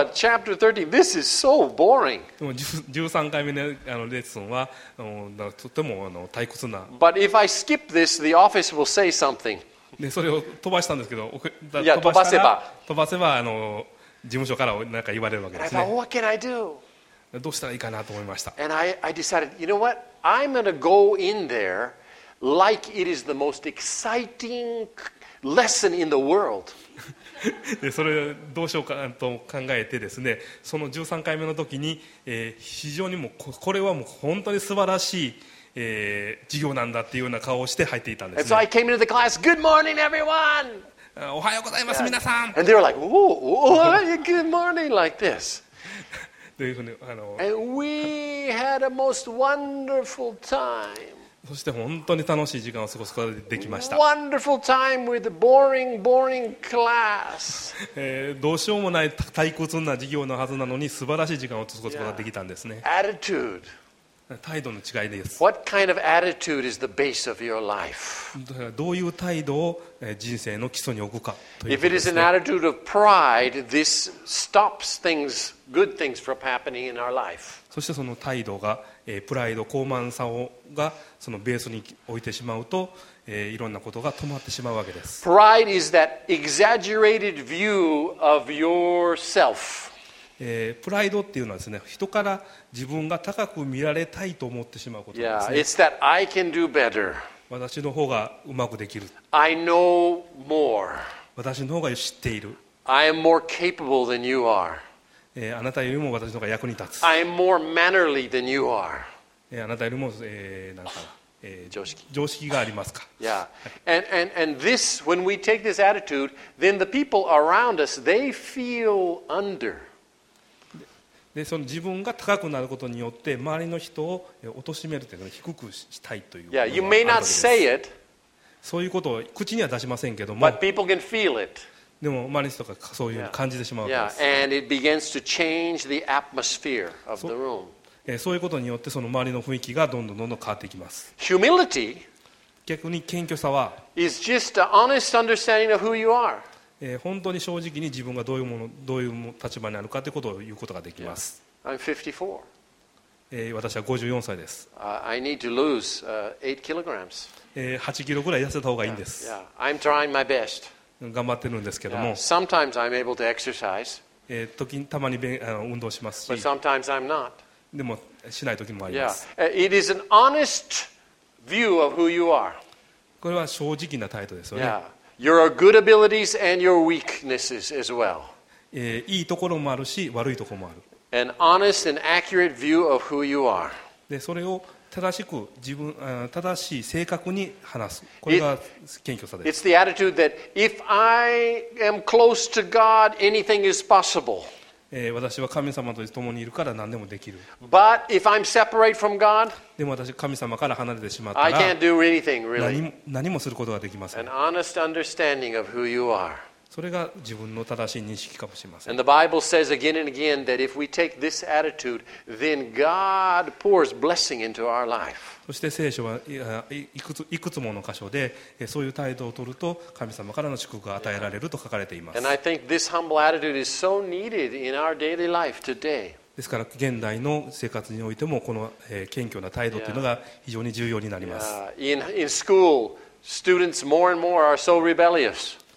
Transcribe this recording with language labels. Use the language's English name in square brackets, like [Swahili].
[English] 。 Yeah, but chapter 13, this is so boring. [Japanese] でも13回目のレッスンはとても退屈な。 [English] But if I skip this, the office will say something. [Japanese] でそれを飛ばしたんですけど、飛ばせば事務所から何か言われるわけですね。 [English] And I thought, what can I do? [Japanese] どうしたらいいかなと思いました。 [English] And I decided, you know what? I'm going to go in there like it is the most exciting lesson in the world. [Japanese] で、それをどうしようかと考えてですね、その13回目の時に、非常にもうこれはもう本当に素晴らしい、授業なんだっていうような顔をして入っていたんですね。 [English] And so I came into the class, good morning, everyone! [Japanese] おはようございます、皆さん。 [English] And they were like, good morning, like this. And we had a most wonderful time. [Japanese] そして本当に楽しい時間を過ごすことができました。 [English] Wonderful time with boring, boring class. [Japanese] どうしようもない退屈な授業のはずなのに素晴らしい時間を過ごすことができたんですね。 [English] Attitude. [Japanese] 態度の違いです。 [English] What kind of attitude is the base of your life? [Japanese] どういう態度を人生の基礎に置くかということですね。 [English] If it is an attitude of pride, this stops things. Good things from happening in our life. [Japanese] そしてその態度が、プライド、高慢さをがそのベースに置いてしまうと、いろんなことが止まってしまうわけです。 [English] Pride is that exaggerated view of yourself. [Japanese] プライドっていうのはですね、人から自分が高く見られたいと思ってしまうことですね。 [English] Yeah, it's that I can do better. [Japanese] 私の方がうまくできる。 [English] I know more. [Japanese] 私の方が知っている。 [English] I am more capable than you are. [Japanese] あなたよりも私の方が役に立つ。 [English] I'm more mannerly than you are. [Japanese] あなたよりも、なんか、常識がありますか。 [English] Yeah. And this, when we take this attitude, then the people around us, they feel under. [Japanese] で、その自分が高くなることによって周りの人を貶めるというか低くしたいという。 [English] Yeah. You may not say it. [Japanese] そういうことを口には出しませんけども。 [English] But people can feel it. [Japanese] でも周りの人がそういう感じてしまうんです。Yeah. Yeah. そういうことによってその周りの雰囲気がどんどんどんどん変わっていきます。 [English] Humility [Japanese] 逆に謙虚さは [English] is just an honest understanding of who you are. [Japanese] 本当に正直に自分がどういうもの、どういう立場にあるかということを言うことができます。 [English] Yeah. I'm 54. [Japanese] 私は54歳です。 [English] I need to lose 8 kilograms. [Japanese] 8キロぐらい痩せた方がいいんです。 [English] Yeah. I'm trying my best. [Japanese] 頑張ってるんですけども、 [English] yeah. Sometimes I'm able to exercise, [Japanese] 時たまに運動しますし [English] but sometimes I'm not. [Japanese] でもしない時もあります、 [English] yeah. It is an honest view of who you are. [Japanese] これは正直な態度ですよね、 [English] yeah. Your good abilities and your weaknesses as well. [Japanese] いいところもあるし悪いところもある [English] an honest and accurate view of who you are. [Japanese] でそれを正しく自分正しい正確に話すこれが謙虚さです。 [English] It's the attitude that if I am close to God, anything is possible. [Japanese] 私は神様と共にいるから何でもできる。 [English] But if I'm separate from God, [Japanese] でも私神様から離れてしまったら、 [English] I can't do anything really. [Japanese] 何もすることができません。 [English] An honest understanding of who you are. [Japanese] それが自分の正しい認識かもしれません。 [English] And the Bible says again and again that if we take this attitude, then God pours blessing into our life. [Japanese] そして聖書はいくつもの箇所でそういう態度を取ると神様からの祝福が与えられると書かれています。 [English] And I think this humble attitude is so needed in our daily life today. [Japanese] ですから現代の生活においてもこの謙虚な態度というのが非常に重要になります。 [English] In school, students more and more are so rebellious.